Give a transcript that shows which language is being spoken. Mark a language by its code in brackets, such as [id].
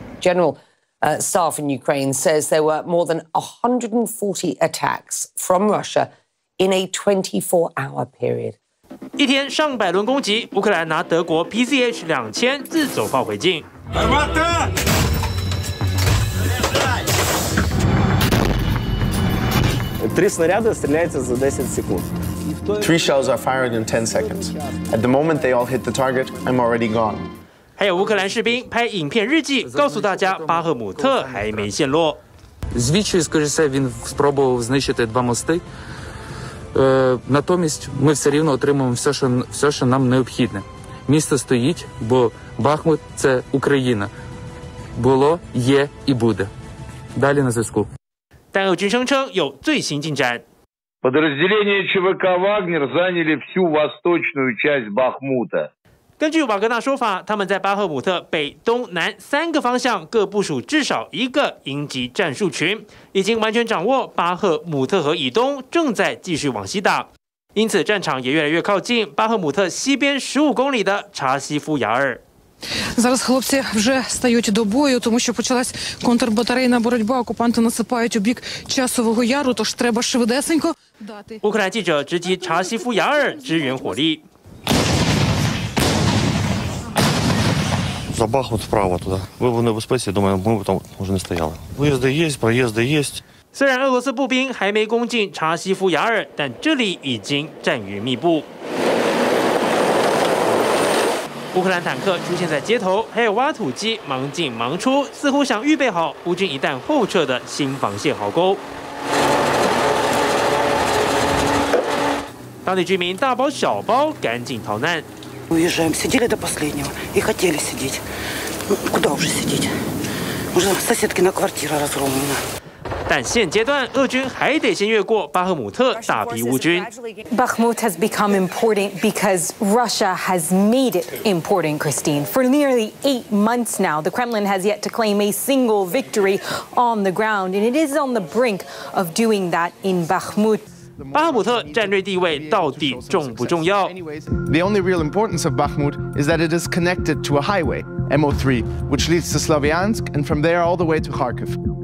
[en] General Staff in Ukraine says there were more than 140 attacks from Russia in a 24-hour period. [zh] 一天上百轮攻击，乌克兰拿德国 PZH-2000 自走炮回敬。 [uk] Три снаряди стріляються за 10 секунд. [en] Three shells are fired in 10 seconds. At the moment they all hit the target, I'm already gone. [zh] 还有乌克兰士兵拍影片日记，告诉大家巴赫姆特还没陷落。 [uk] Звідчі скажеться, він спробував знищити два мости. Натомість ми все рівно отримуємо все, що нам необхідне. Місто стоїть, бо Бахмут – це Україна. Було, є і буде. Далі на зв'язку. Та Гучин Шенчон йо цей сінджан. [ru] Подразделение ЧВК «Вагнер» заняли всю восточную часть Бахмута. [zh] 根据瓦格纳说法，他们在巴赫姆特北、东南三个方向各部署至少一个营级战术群，已经完全掌握巴赫姆特河以东，正在继续往西打，因此战场也越来越靠近巴赫姆特西边15公里的查西夫雅尔。 [uk] Зараз хлопці вже стають до бою, тому що почалась контрбатарейна боротьба. Окупанти насипають у бік часового яру, тож треба швидесенько дати. [zh] 乌克兰记者直击查西夫雅尔支援火力。 [uk] За Бахмут вправо туда. Ви в небезпеці, думаю, ми б там вже не стояли. Виїзди є, проїзди є. [zh] 虽然俄罗斯步兵还没攻进查西夫雅尔，但这里已经战云密布。乌克兰坦克出现在街头，还有挖土机忙进忙出，似乎想预备好乌军一旦后撤的新防线壕沟。当地居民大包小包赶紧逃难。 [ru] Уезжаем, сидели до последнего и хотели сидеть. Ну, куда уже сидеть? Уже соседкина квартира разгромлена. [zh] 但现阶段，俄军还得先越过巴赫姆特，打敌乌军。 [en] Bakhmut has become important because Russia has made it important, Christine. For nearly 8 months now, the Kremlin has yet to claim a single victory on the ground, and it is on the brink of doing that in Bakhmut. [zh] 巴赫姆特战略地位到底重不重要 [en] ？The only real importance of Bakhmut is that it is connected to a highway MO3, which leads to Slavyansk and from there all the way to Kharkiv.